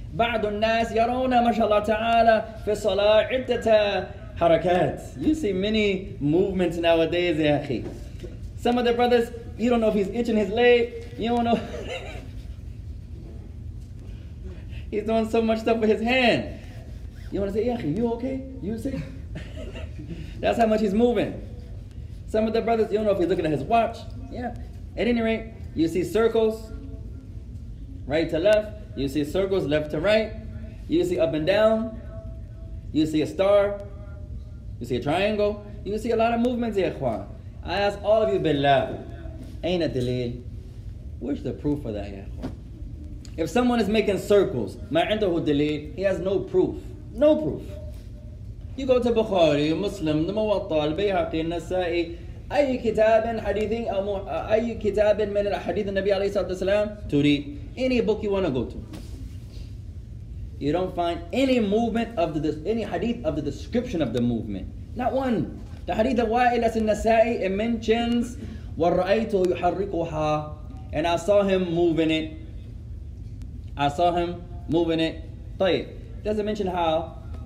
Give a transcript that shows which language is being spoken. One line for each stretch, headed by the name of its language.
Arabic: بعض الناس يرون ما شاء الله تعالى في الصلاة عدة حركات.
English: You see many movements nowadays, ya khi. Some of the brothers, you don't know if he's itching his leg. You don't know. He's doing so much stuff with his hand. You want to say, yeah, you okay? You see? That's how much he's moving. Some of the brothers, you don't know if he's looking at his watch. Yeah. At any rate, you see circles, right to left. You see circles left to right. You see up and down. You see a star. You see a triangle. You see a lot of movements, ya khwan. I ask all of you, billah, ain't a dalil. Where's the proof for that, ya khwan? If someone is making circles, ma'indahu dalil, he has no proof. No proof. You go to
Arabic: Bukhari, Muslim, the Muwatta, Al-Bayhaqi, Al-Nasa'i, أي كتاب حديثين أو أي كتاب من الحديث النبي عليه الصلاة والسلام
English: to read. Any book you want to go to. You don't find any movement of the, any hadith of the description of the movement. Not one. The hadith of Wa'il as-Nasa'i, it mentions
Arabic: وَرَأَيْتُ يُحَرِّقُهَا.
English: And I saw him moving it.
Arabic: طيب.
English: Doesn't mention how.